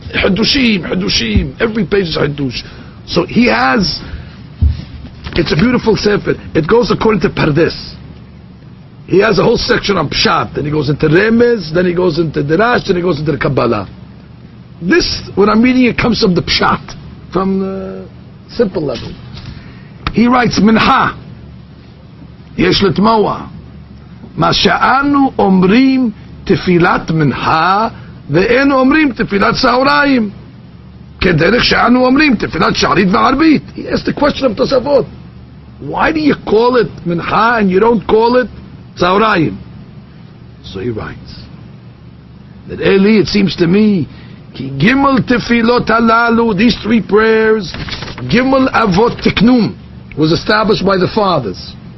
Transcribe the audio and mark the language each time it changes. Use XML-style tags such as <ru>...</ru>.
<en>Hadushim, Hadushim, every page is Hadush. So he has, it's a beautiful sefer. It goes according to Pardes. He has a whole section on Pshat, then he goes into Remez, then he goes into Dirash, then he goes into the Kabbalah. This, when I'm reading it, comes from the Pshat, from the simple level. He writes,</en> <he>Mincha, Yesh Letmoa, Masha'anu Omrim Tefilat Mincha, ואין אומרים תפילת צהריים כדרך שאנו אומרים תפילת שערית וערבית.</he> <en>He asked the question of Tosafot. Why do you call it Mincha and you don't call it צהריים? So he writes that Eli, it seems to me,</en> <he>כי גימל תפילות הללו,</he> <en>these three prayers,</en> <he>גימל אבות תקנום,</he> <en>was established by the fathers.</en>